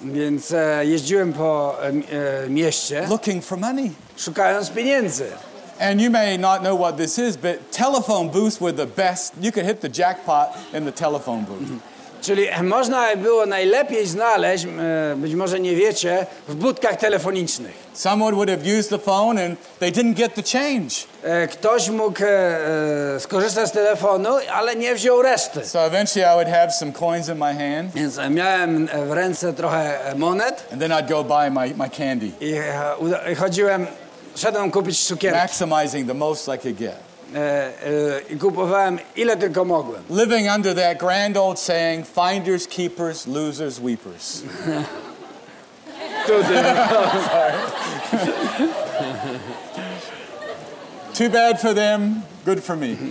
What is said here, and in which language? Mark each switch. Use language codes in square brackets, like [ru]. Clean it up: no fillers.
[pl] Więc jeździłem po mieście. [en] Looking for money. [pl] Szukając pieniędzy. [en] And you may not know what this is, but telephone booths were the best. You could hit the jackpot in the telephone booth. [pl] Czyli można było najlepiej znaleźć, być może nie wiecie, w budkach telefonicznych. [en] Someone would have used the phone and they didn't get the change. [pl] Ktoś mógł skorzystać z telefonu, ale nie wziął reszty. [en] So eventually I would have some coins in my hand. [pl] Więc miałem w ręce trochę monet. [en] And then I'd go buy my candy. [pl] I chodziłem, szedłem kupić cukierki. [en] Maximizing the most I could get. [pl] I kupowałem ile tylko mogłem. [en] Living under that grand old saying, finders keepers, losers weepers. Too bad for them, good for me.